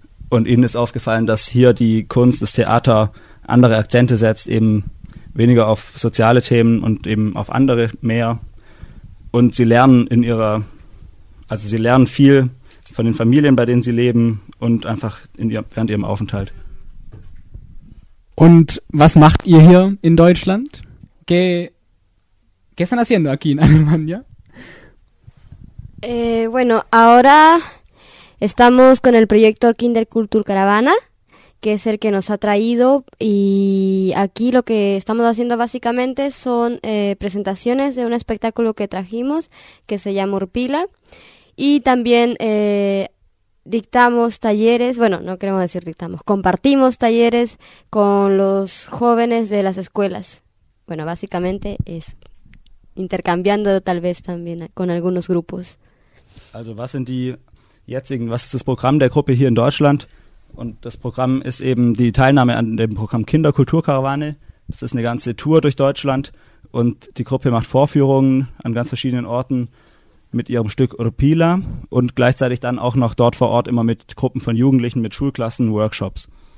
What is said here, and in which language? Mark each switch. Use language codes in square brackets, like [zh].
[de] Und ihnen ist aufgefallen, dass hier die Kunst, das Theater andere Akzente setzt, eben weniger auf soziale Themen und eben auf andere mehr. Und sie lernen sie lernen viel von den Familien, bei denen sie leben und einfach während ihrem Aufenthalt. Und was macht ihr hier in Deutschland? [es] ¿Qué están haciendo aquí en Alemania? Bueno, ahora estamos con el proyecto Kinderkultur Caravana, que es el que nos ha traído, y aquí lo que estamos haciendo básicamente son presentaciones de un espectáculo que trajimos, que se llama Urpila, y también dictamos talleres, bueno, no queremos decir dictamos, compartimos talleres con los jóvenes de las escuelas. Bueno, básicamente es intercambiando tal vez también con algunos grupos. [de] Also, was ist das Programm der Gruppe hier in Deutschland Und das Programm ist eben die Teilnahme an dem Programm Kinderkulturkarawane. Das ist eine ganze Tour durch Deutschland. Und die Gruppe macht Vorführungen an ganz verschiedenen Orten mit ihrem Stück Urpila und gleichzeitig dann auch noch dort vor Ort immer mit Gruppen von Jugendlichen, mit Schulklassen, Workshops.